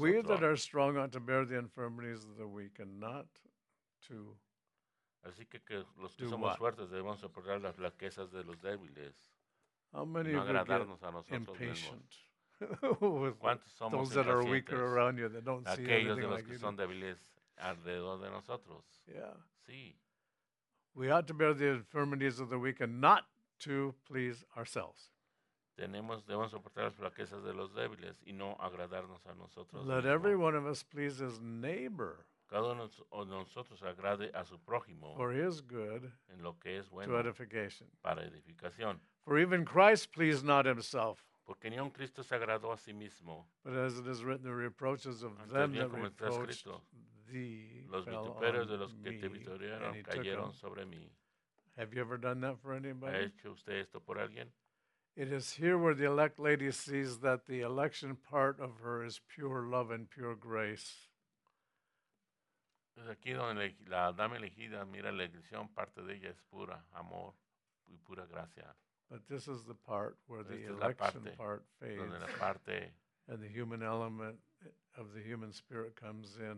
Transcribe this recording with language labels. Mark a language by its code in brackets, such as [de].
[en] We that are strong ought to bear the infirmities of the weak and not to [es] así que los que somos fuertes debemos soportar las flaquezas de los débiles. [en] How many of you get impatient with those that are weaker around you that don't see [es] aquellos [en] anything [es] de los que [en] like [es] son débiles alrededor de nosotros. [en] Yeah. [es] Sí. [en] We ought to bear the infirmities of the weak and not to please ourselves. [es] Debemos soportar las flaquezas de los débiles y no agradarnos a nosotros. [en] Let every one of us please his neighbor. [es] Cada uno de nosotros agrade a su prójimo. [en] For his good. [es] En lo que es bueno. [en] To edification. [es] Para edificación. [en] For even Christ pleased not himself. [es] Porque ni aun Cristo se agradó a sí mismo. [en] But as it is written, the reproaches of them that reproached thee [es] los vituperios de los que te vituperaron cayeron sobre mí. [en] Have you ever done that for anybody? [es] ¿Ha hecho usted esto por alguien? [en] It is here where the elect lady sees that the election part of her is pure love and pure grace. [es] Es aquí donde la dama elegida mira la elección, parte de ella es pura amor y pura gracia. [en] But this is the part where the election part fades and the human element of the human spirit comes in.